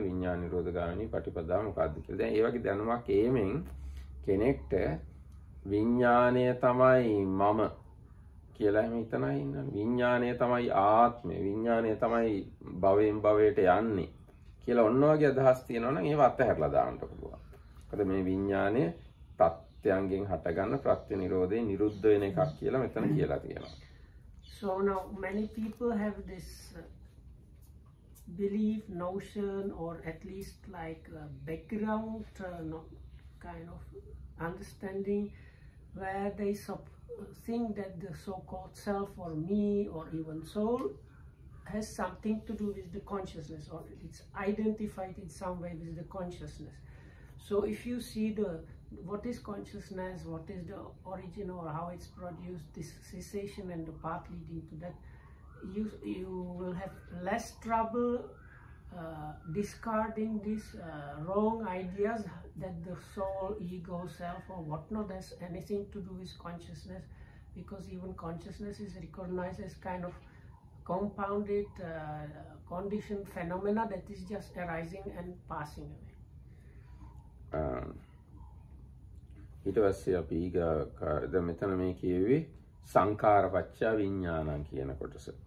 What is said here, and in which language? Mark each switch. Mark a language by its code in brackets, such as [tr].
[si] විඥාන නිරෝධ ගාමිනී පටිපදා මොකද්ද කියලා. දැන් ඒ වගේ දැනුමක් ඒමෙන් කෙනෙක්ට විඥානය තමයි මම කියලා එහෙම හිතනවා ඉන්නවා. විඥානය තමයි ආත්මය. විඥානය තමයි භවයෙන් භවයට යන්නේ කියලා ඔන්න ඔයගේ අදහස් තියෙනවා නම් ඒව අත්හැරලා දාන්නට පුළුවන්. මොකද මේ විඥානය තත්ත්වයන්ගෙන් හටගන්න ප්‍රත්‍ය නිරෝධේ නිරුද්ධ වෙන එකක් කියලා මෙතන කියලා තියෙනවා. [en] So now many people have this belief, notion, or at least like a background kind of understanding where they think that the so-called self or me or even soul has something to do with the consciousness, or it's identified in some way with the consciousness. So if you see the what is consciousness, what is the origin or how it's produced, this cessation and the path leading to that, you will have less trouble discarding these wrong ideas that the soul, ego, self or whatnot has anything to do with consciousness, because even consciousness is recognized as kind of compounded conditioned phenomena that is just arising and passing away. [si] ඊටවස්සේ අපි ඊග දැන් මෙතන මේ කියෙවේ සංකාරපච්චා විඥානං කියන කොටස.